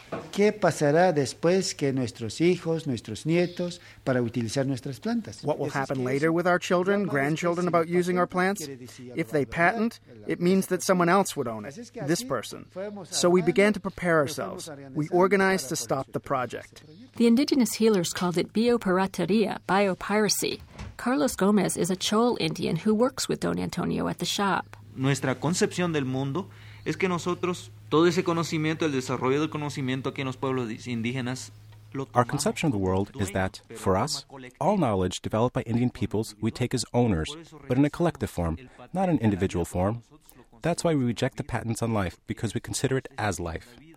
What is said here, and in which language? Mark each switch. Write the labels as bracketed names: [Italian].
[Spanish] ¿Qué pasará después que nuestros hijos, nuestros nietos, para utilizar nuestras plantas? [English] What will happen later with our children, grandchildren, about using our plants? If they patent, it means that someone else would own it, this person. So we began to prepare ourselves. We organized to stop the project. The indigenous healers called it biopirateria, biopiracy. Carlos Gomez is a Chol Indian who works with Don Antonio at the shop. [Spanish] Nuestra concepción del mundo es que nosotros, todo ese conocimiento, el desarrollo del conocimiento aquí en los pueblos indígenas, [English] our conception of the world is that, for us, all knowledge developed by Indian peoples we take as owners, but in a collective form, not an individual form. That's why we reject the patents on life, because we consider it as life.